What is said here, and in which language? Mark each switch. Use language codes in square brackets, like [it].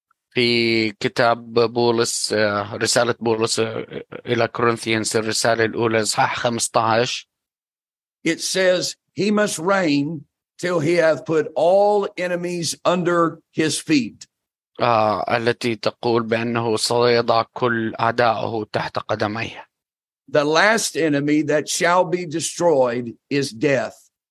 [ar] في كتاب بولس رسالة بولس إلى كورنثيانس الرسالة الأولى إصحاح 15, [en] it says he must reign till he hath put all enemies under his feet. [ar] التي تقول بأنه سيضع كل أعدائه تحت قدميه. [en] The last enemy that shall be destroyed is death.